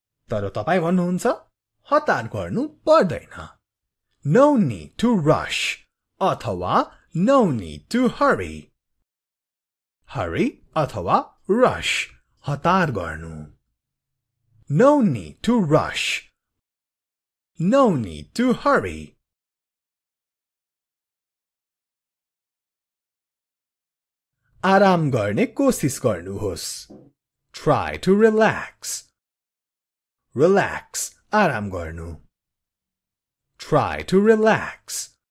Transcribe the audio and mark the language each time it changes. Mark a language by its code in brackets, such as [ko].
[ne] तर तपाई भन्नुहुन्छ हतार गर्नु पर्दैन [en] no need to rush [ne] अथवा [en] no need to hurry [ne] hurry अथवा rush हतार गर्नु [en] no need to rush no need to hurry [ne] आराम गर्ने कोसिस गर्नुहोस् [en] try to relax [ne] relax आराम गर्नु [en] try to relax